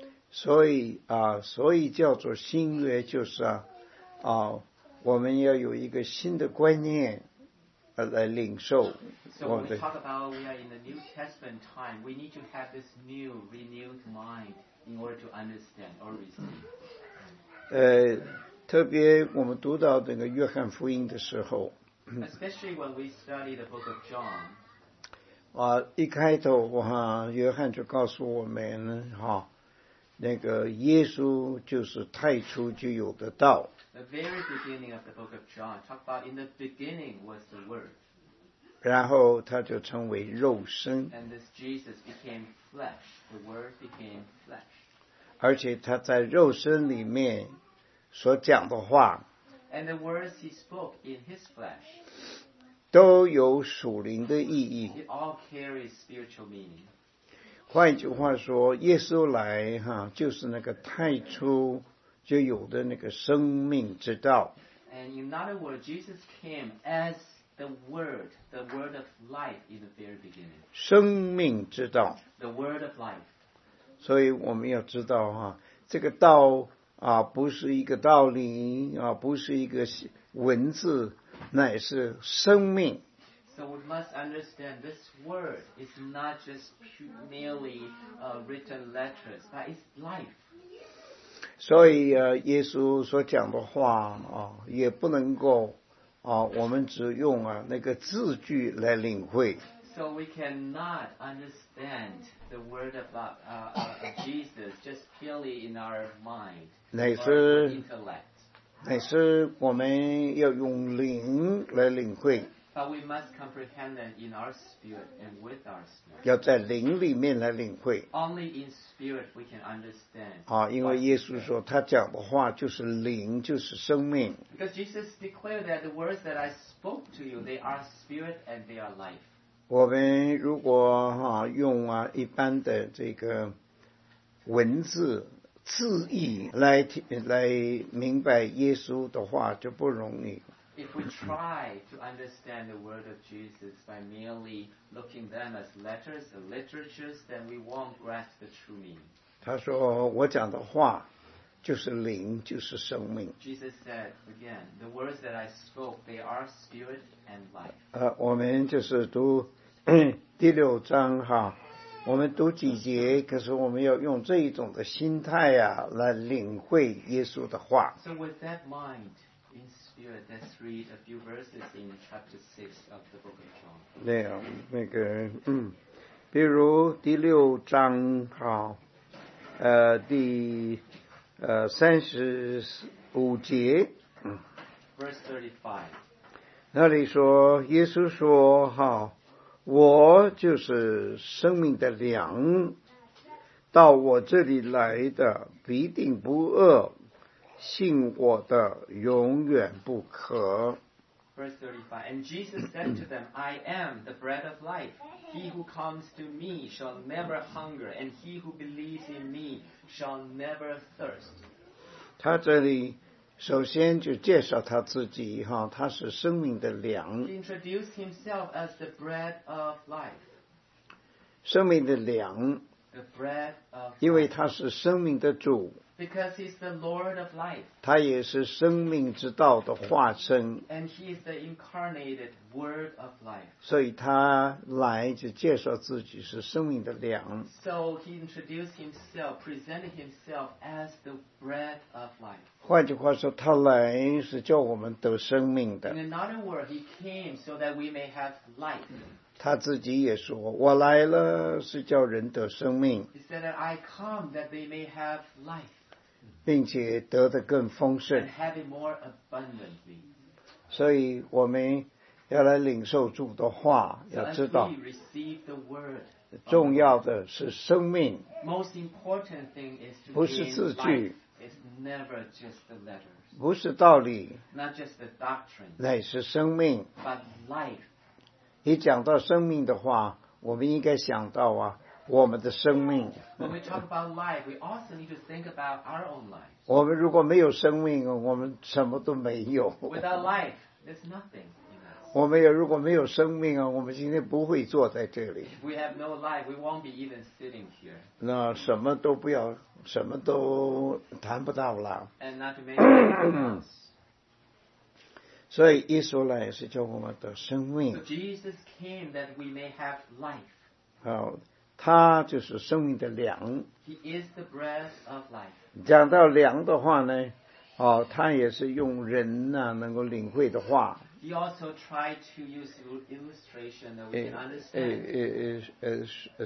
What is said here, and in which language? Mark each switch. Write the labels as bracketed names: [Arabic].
[Chinese] 所以叫做新约就是我们要有一个新的观念来领受。 [English] So when we talk about we are in the New Testament time, we need to have this new, renewed mind in order to understand or receive. [Chinese] 特别我们读到这个约翰福音的时候。 [English] Especially when we study the book of John. [Chinese] 一开头哈，约翰就告诉我们哈，那个耶稣就是太初就有的道。 [English] The very beginning of the book of John talk about in the beginning was the Word. [Chinese] 然后他就成为肉身。 [English] And this Jesus became flesh. The Word became flesh. [Chinese] 而且他在肉身里面所讲的话。 [English] And the words he spoke in his flesh, [Chinese] 都有属灵的意义。 [English] It all carries spiritual meaning. [Chinese] 换一句话说，耶稣来哈，就是那个太初就有的那个生命之道。 [English] And in other words, Jesus came as the word of life in the very beginning. [Chinese] 生命之道。 [English] The word of life. [Chinese] 所以我们要知道哈，这个道。不是一个道理不是一个文字乃是生命。 [English] So we must understand this word is not just merely written letters, but it's life. [Chinese] 所以耶稣所讲的话也不能够我们只用那个字句来领会。 [English] So we cannot understand the word about Jesus just purely in our mind, our intellect. [Chinese] 乃是我们要用灵来领会。 [English] But we must comprehend it in our spirit and with our spirit. [Chinese] 要在灵里面来领会。 [English] Only in spirit we can understand. [Chinese] 因为耶稣说他讲的话就是灵，就是生命。 [English] Because Jesus declared that the words that I spoke to you, they are spirit and they are life. [Chinese] 我们如果用一般的这个文字字义来明白耶稣的话就不容易。 [English] If we try to understand the word of Jesus by merely looking them as letters or literatures, then we won't grasp the true meaning. [Chinese] 他说：“我讲的话就是灵，就是生命。 [English] Jesus said again, the words that I spoke, they are spirit and life. [Chinese] 我们就是读第六章哈，我们读几节，可是我们要用这一种的心态呀、啊，来领会耶稣的话。 [English] So with that mind, in spirit, let's read a few verses in chapter 6 of the book of John. [Chinese] 对啊，那个比如第六章哈，第。 35节 [English] Verse 35, [Chinese] 那里说耶稣说哈，我就是生命的粮，到我这里来的必定不饿，信我的永远不渴。 [English] Verse 35, And Jesus said to them, I am the bread of life. He who comes to me shall never hunger, and he who believes in meShall never thirst. [Chinese] 他这里首先就介绍他自己哈，他是生命的粮。 [English] He introduced himself as the bread of life. [Chinese] 生命的粮。 [English] The bread of life. [Chinese] 因为他是生命的主。 [English] Because he's the Lord of life. [Chinese] 他也是生命之道的化身。 [English] And he is the incarnated word of life. [Chinese] 所以他来就介绍自己是生命的粮。 [English] So he introduced himself, presented himself as the bread of life. [Chinese] 换句话说，他来是叫我们得生命的。 [English] In another word, he came so that we may have life. [Chinese] 他自己也说，我来了是叫人得生命。 [English] He said that I come that they may have life. [Chinese] 并且得的更丰盛。 [English] And have it more abundantly. [Chinese] 所以我们要来领受主的话，要知道。 [English] So as we receive the word, [Chinese] 重要的是生命。 [English] Most important thing is to be in life. It's never just the letters. [Chinese] 不是道理。 [English] Not just the doctrine. [Chinese] 乃是生命。 [English] But life. [Chinese] 一讲到生命的话，我们应该想到啊。我们的生命。 [English] When we talk about life, we also need to think about our own life. [Chinese] 我们如果没有生命，我们什么都没有。 [English] Without life, there's nothing. [Chinese] 我们也如果没有生命啊，我们今天不会坐在这里。 [English] If we have no life, we won't be even sitting here. [Chinese] 那什么都不要，什么都谈不到了。 [English] And not to mention. [Chinese] 所以耶稣来是叫我们的生命。 [English] So Jesus came that we may have life. [Chinese] 好。他就是生命的粮。 [English] He is the bread of life. [Chinese] 讲到粮的话呢，哦，他也是用人呐、啊、能够领会的话。 [English] He also tried to use illustration that we can understand.